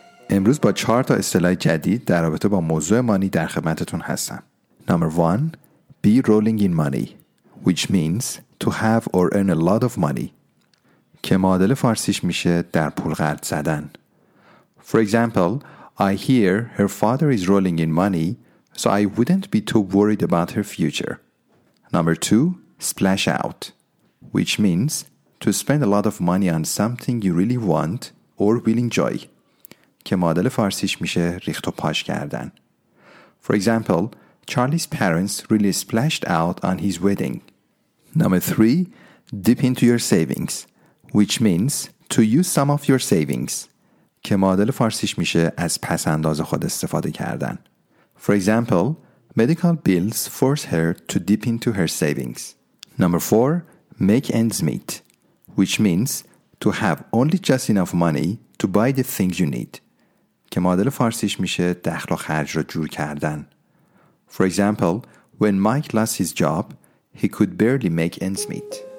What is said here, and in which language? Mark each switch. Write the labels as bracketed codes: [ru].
[fa] امروز با 4 تا اصطلاح جدید در رابطه با موضوع مانی در خدمتتون هستم. [en] Number 1, be rolling in money, which means to have or earn a lot of money, [fa] که معادل فارسیش میشه در پول غلط زدن. [en] For example, I hear her father is rolling in money, so I wouldn't be too worried about her future. Number 2, splash out, which means to spend a lot of money on something you really want or will enjoy, [fa] که معادل فارسیش میشه ریخت و پاش کردن. [en] For example, Charlie's parents really splashed out on his wedding. Number 3, dip into your savings, which means to use some of your savings. [fa] که معادل فارسیش میشه از پس انداز خود استفاده کردن. [en] For example, medical bills force her to dip into her savings. Number 4, make ends meet, which means to have only just enough money to buy the things you need. [fa] که معادل فارسیش میشه دخل و خرج رو جور کردن. [en] For example, when Mike lost his job, he could barely make ends meet.